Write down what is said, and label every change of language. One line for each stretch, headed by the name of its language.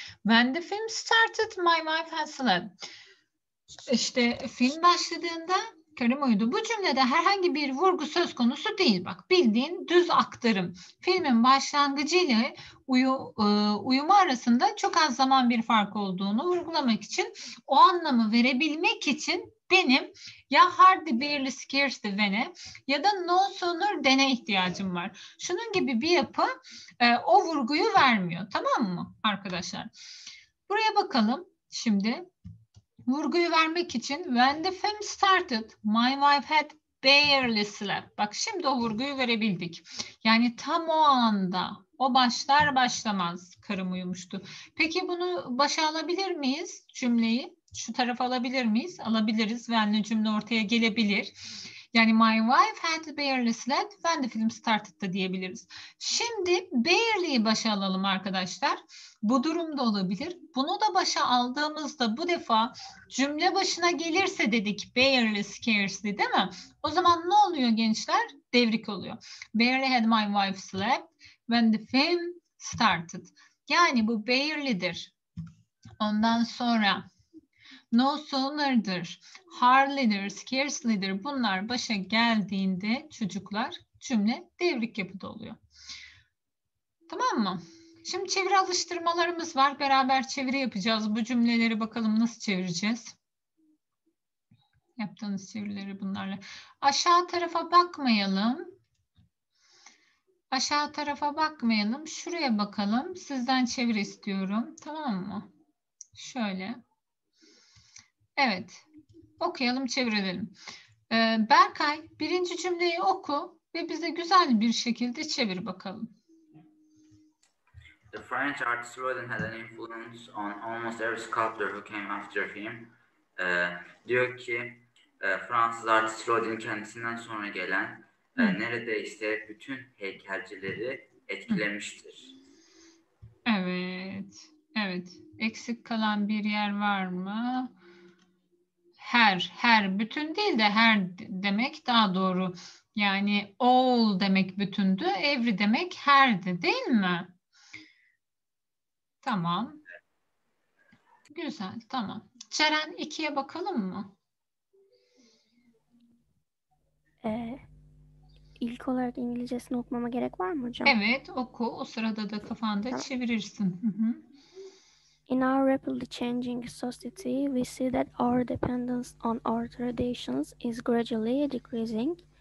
English: When the film started, my wife has slept.
Turkish: İşte film başladığında karım uyudu. Bu cümlede herhangi bir vurgu söz konusu değil. Bak bildiğin düz aktarım. Filmin başlangıcı ile uyuma arasında çok az zaman bir fark olduğunu vurgulamak için, o anlamı verebilmek için benim ya hardly barely scarcely when'e ya da
English: no sooner than'e
Turkish: ihtiyacım var. Şunun gibi bir yapı o vurguyu vermiyor. Tamam mı arkadaşlar? Buraya bakalım şimdi. Vurguyu vermek için
English: when the film started my wife had barely slept.
Turkish: Bak şimdi o vurguyu verebildik. Yani tam o anda o başlar başlamaz karım uyumuştu. Peki bunu başa alabilir miyiz cümleyi? Şu tarafa alabilir miyiz? Alabiliriz. Yani cümle ortaya gelebilir. Yani
English: my wife had barely slept when the film started
Turkish: da diyebiliriz. Şimdi barely'yi başa alalım arkadaşlar. Bu durumda olabilir. Bunu da başa aldığımızda bu defa cümle başına gelirse dedik barely scarcely, değil mi? O zaman ne oluyor gençler? Devrik oluyor.
English: Barely had my wife slept when the film started.
Turkish: Yani bu barely'dir. Ondan sonra no sooner'dır, hardly'dir, scarcely'dir. Bunlar başa geldiğinde çocuklar cümle devrik yapıda oluyor. Tamam mı? Şimdi çeviri alıştırmalarımız var. Beraber çeviri yapacağız. Bu cümleleri bakalım nasıl çevireceğiz. Yaptığınız çevirileri bunlarla. Aşağı tarafa bakmayalım. Aşağı tarafa bakmayalım. Şuraya bakalım. Sizden çeviri istiyorum. Tamam mı? Şöyle. Evet. Okuyalım, çevirelim. Berkay, birinci cümleyi oku ve bize güzel bir şekilde çevir bakalım.
English: The French artist Rodin had an influence on almost every sculptor who came after him.
Turkish: Diyor ki Fransız artist Rodin kendisinden sonra gelen neredeyse bütün heykelcileri etkilemiştir. Evet. Evet. Eksik kalan bir yer var mı? Her bütün değil de her demek daha doğru. Yani all demek bütündü, every demek herdi, değil mi? Tamam. Güzel, tamam. Ceren 2'ye bakalım mı? İlk olarak İngilizcesini okumama gerek var mı hocam? Evet, oku. O sırada da kafanda çevirirsin.
English: In our rapidly changing society, we see that our dependence on our traditions is gradually decreasing.